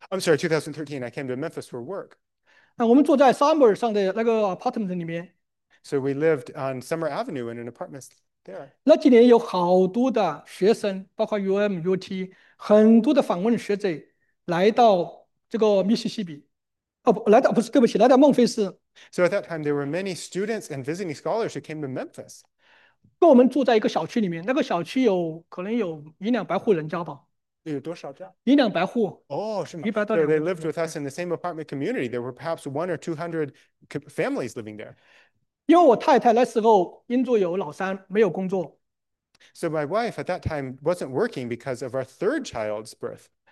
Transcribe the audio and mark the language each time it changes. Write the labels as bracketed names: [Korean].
[English] I'm sorry, 2013, I came to Memphis for work. [Chinese] 我们住在Summer上的那个apartment里面。 [English] So we lived on Summer Avenue in an apartment there. [Chinese] 那几年有好多的学生,包括UM,UT,很多的访问学者来到这个密西西比,哦,来到,不是,对不起,来到孟菲斯。 [English] So at that time, there were many students and visiting scholars who came to Memphis. [Chinese] 跟我们住在一个小区里面,那个小区有可能有一两百户人家吧。有多少家? 一两百户, Oh, 是吗? 100到 [English] So they lived [Chinese] 200户。 [English] with us in the same apartment community. There were perhaps 100 or 200 families living there. [Chinese] 因为我太太那时候因着有老三,没有工作。 [English] So my wife at that time wasn't working because of our third child's birth.